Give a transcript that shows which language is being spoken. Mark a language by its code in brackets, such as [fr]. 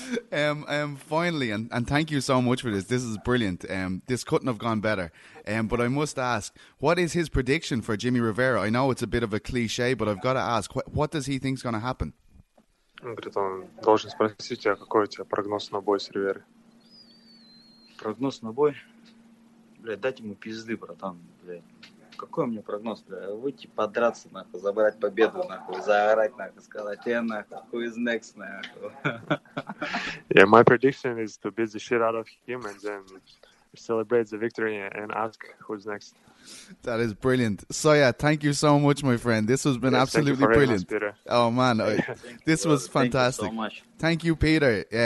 [en] Finally, and thank you so much for this. This is brilliant. This couldn't have gone better. But I must ask, what is his prediction for Jimmy Rivera? I know it's a bit of a cliche, but I've got to ask, what does he think is going to happen? [ru] Он говорит, он должен спросить тебя, какой у тебя прогноз на бой с Риверой. Прогноз на бой? Блядь, дать ему пизды, братан. Блядь. какой у меня прогноз, бля? Выйти подраться, нахуй, забрать победу, нахуй, заорать, нахуй, сказать, я, нахуй, [en] who is next, [ru] нахуй. [en] Yeah, my prediction is to beat the shit out of him and then celebrate the victory and ask who's next. That is brilliant. So yeah, thank you so much, my friend. This has been absolutely brilliant. Us, oh man, this was fantastic. Thank you so much. Thank you, Peter.